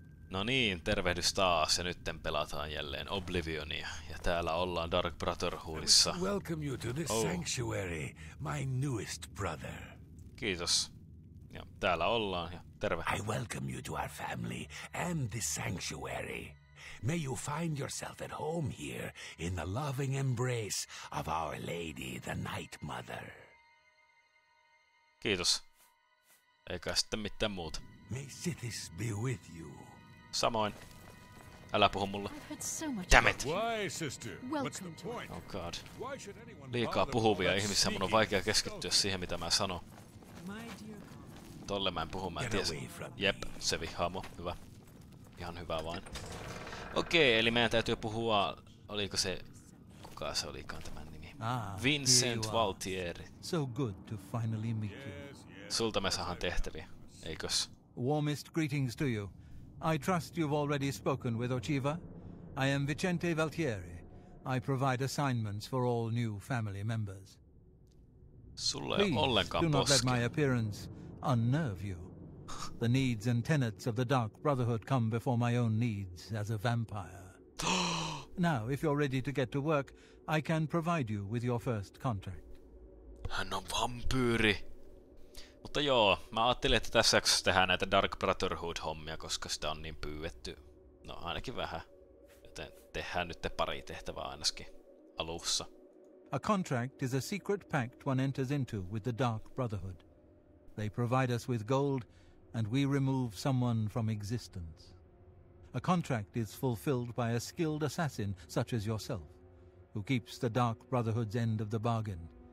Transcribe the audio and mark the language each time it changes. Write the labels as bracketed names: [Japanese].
[Finnish] No niin, tervehdys taas ja nytten pelataan jälleen Oblivionia ja täällä ollaan Dark Brotherhoodissa. [English] Welcome you to the sanctuary, my newest brother. [Finnish] Kiitos. Ja täällä ollaan ja terve. [English] I welcome you to our family and the sanctuary. May you find yourself at home here in the loving embrace of our lady, the night mother. [Finnish] Kiitos. Eikä sitten mitään muuta. [English] May Sithis be with you. [Finnish] Samoin. Älä puhu mulle. [English] So dammit! Why, sister? What's the point? Oh god. [Finnish] Liikaa puhuvia ihmisiä, mun on vaikea keskittyä siihen, mitä mä sanon. Tolle mä en puhu, mä en tiedä. Jep, se vihaamo. Hyvä. Ihan hyvä vain. Okei, eli meidän täytyy puhua... Oliko se... Kuka se olikaan tämän nimi? Vincent Valtieri. [English] So good to finally meet you. [Finnish] Sulta me saadaan tehtäviä, eikös? [English] Warmest greetings to you. I trust you've already spoken with Ochiva. I am Vicente Valtieri. I provide assignments for all new family members. [Finnish] Sulla ei ole ollenkaan poski. [English] Do not let my appearance unnerve you. The needs and tenets of the Dark Brotherhood come before my own needs as a vampire. Now, if you're ready to get to work, I can provide you with your first contract. [Finnish] Hän on vampyyri. Mutta joo, mä ajattelin, että tässä jaksossa tehdään näitä Dark Brotherhood-hommia, koska sitä on niin pyydetty. No ainakin vähän. Joten tehdään nyt pari tehtävää ainakin alussa. [English] A contract is a secret pact one enters into with the Dark Brotherhood. They provide us with gold, and we remove someone from existence. A contract is fulfilled by a skilled assassin such as yourself, who keeps the Dark Brotherhood's end of the bargain.